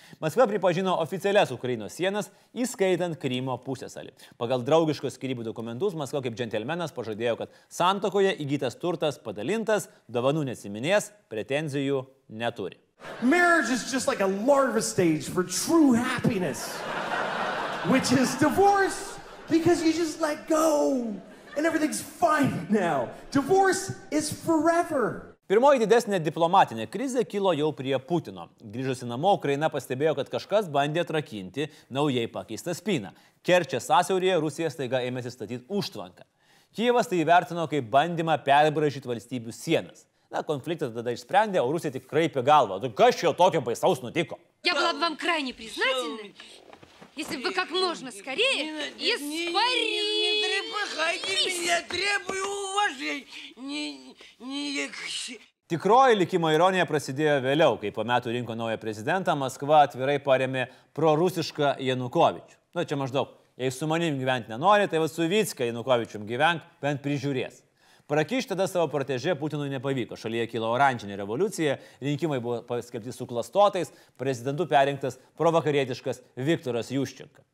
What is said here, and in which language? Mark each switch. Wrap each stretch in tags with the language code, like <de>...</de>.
<lt>Maskva pripažino oficialias Ukrainos sienas, įskaitant Krymo pusėsalį. Pagal draugiškos skyrybų dokumentus Maskva kaip džentelmenas pažadėjo, kad santokoje įgytas turtas padalintas, dovanų nesiminės, pretenzijų neturi.</lt> <en>Marriage is just like a larva stage for true happiness. Which is divorce, because you just let go, and everything's fine now. Divorce is forever.</en> <lt>Pirmoji didesnė diplomatinė krizė kilo jau prie Putino. Grįžusi namo, Ukraina pastebėjo, kad kažkas bandė atrakinti naujai pakeistą spyną. Kerčės sąsiauryje Rusija staiga ėmėsi statyti užtvanką. Kijevas tai įvertino kaip bandymą perbraižyti valstybių sienas. Na, konfliktas tada išsprendė, o Rusija tik kraipė galvą. Tai kas čia tokio baisaus nutiko?</lt> <ru>Я была бы вам крайне признательна. Если бы вы как можно скорее испарились. Не трепыхайте меня, требую уважения.</ru> <lt>Tikroji likimo ironija prasidėjo vėliau, kai po metų rinko naują prezidentą, Maskva atvirai parėmė prorusišką Janukovičių. Nu, čia maždaug, jei su manim gyventi nenori, tai va su Vycka Janukovičium gyvenk, bent prižiūrės. Prakišti tada savo protežė Putinui nepavyko. Šalyje kilo oranžinė revoliucija, rinkimai buvo paskelbti su klastotais, prezidentu perrinktas provakarietiškas Viktoras Juščenka.</lt>